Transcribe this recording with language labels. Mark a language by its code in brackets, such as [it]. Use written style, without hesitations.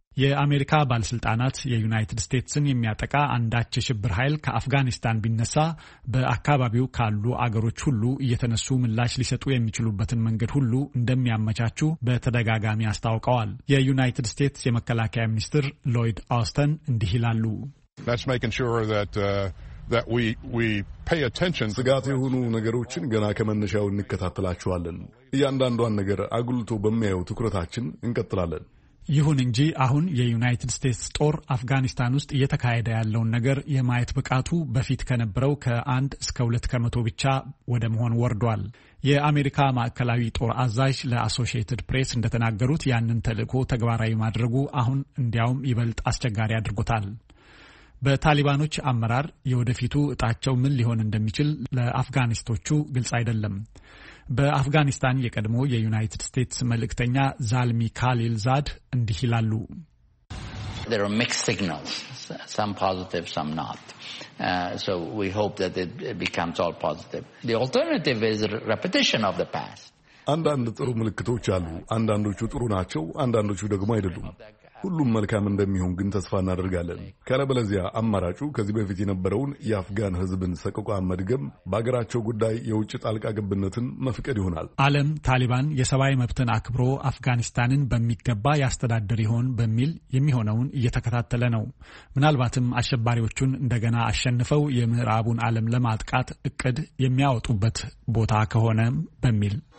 [am] የአሜሪካ ባለስልጣናት የዩናይትድ ስቴትስን የሚያጠቃ አንዳች ሽብር ኃይል ከአፍጋኒስታን ቢነሳ በአካባቢው ካሉ አገሮች ሁሉ እየተነሱ ምላሽ ሊሰጡ የሚችሉበትን መንገድ ሁሉ እንደሚያመቻቹ በተደጋጋሚ አስታውቀዋል። የዩናይትድ ስቴትስ የመከላከያ ሚኒስትር ሎይድ አውስተን እንዲህ ይላሉ። [en] That's making sure that that we pay attention to [am] ጋት የሆኑ ነገሮችን ገና ከመነሻው እንከታተላቸዋለን። እያንዳንዱን ነገር አግልቶ በሚያዩ ትኩረታችን እንከተላለን። ይሁን እንጂ አሁን የዩናይትድ ስቴትስ ጦር አፍጋኒስታን ውስጥ እየተካሄደ ያለውን ነገር የማየት ብቃቱ በፊት ከነበረው ከአንድ እስከ 2% ብቻ ወደ መሆን ወርዷል። የአሜሪካ ማዕከላዊ ጦር አዛዥ ለአሶሺየትድ ፕሬስ እንደተናገሩት ያንን ተልእኮ ተግባራዊ ማድረጉ አሁን እንዲያውም ይበልጥ አስቸጋሪ አድርጎታል። በታሊባኖች አመራር የወደፊቱ እጣቸው ምን ሊሆን እንደሚችል ለአፍጋኒስቶቹ ግልጽ አይደለም። በአፍጋኒስታን የቀድሞ የዩናይትድ ስቴትስ መልእክተኛ ዛልሚ ካሊል ዛድ እንዲህ ይላሉ። [en] There are mixed signals, some positive, some not. So we hope that it becomes all positive. The alternative is repetition of the past. [am] አንዳንድ ጥሩ ምልክቶች አሉ። አንዳንዶቹ ጥሩ ናቸው፣ አንዳንዶቹ ደግሞ አይደሉም። ሁሉም መልካም እንደሚሆን ግን ተስፋ እናደርጋለን። ካለበለዚያ አማራጩ ከዚህ በፊት የነበረውን የአፍጋን ህዝብን ሰቆቃ መድገም፣ በአገራቸው ጉዳይ የውጭ ጣልቃ ገብነትን መፍቀድ ይሆናል። ዓለም ታሊባን የሰብአዊ መብትን አክብሮ አፍጋኒስታንን በሚገባ ያስተዳድር ይሆን በሚል የሚሆነውን እየተከታተለ ነው። ምናልባትም አሸባሪዎቹን እንደገና አሸንፈው የምዕራቡን ዓለም ለማጥቃት እቅድ የሚያወጡበት ቦታ ከሆነ በሚል።